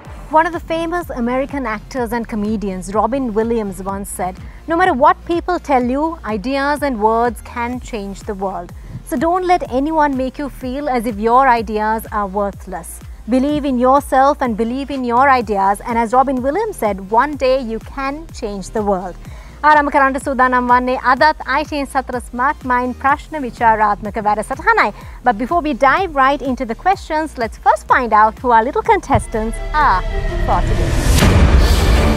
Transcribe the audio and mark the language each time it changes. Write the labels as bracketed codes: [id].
[en] One of the famous American actors and comedians, Robin Williams, once said, "No matter what people tell you, ideas and words can change the world. So don't let anyone make you feel as if your ideas are worthless. Believe in yourself and believe in your ideas. And as Robin Williams said, one day you can change the world." [si] ආරම්භ කරන්න සූදානම් වන්නේ අදත් ITN සතර smart mind ප්‍රශ්න විචාරාත්මක වැඩසටහනයි. [en] But before we dive right into the questions, let's first find out who our little contestants are for today.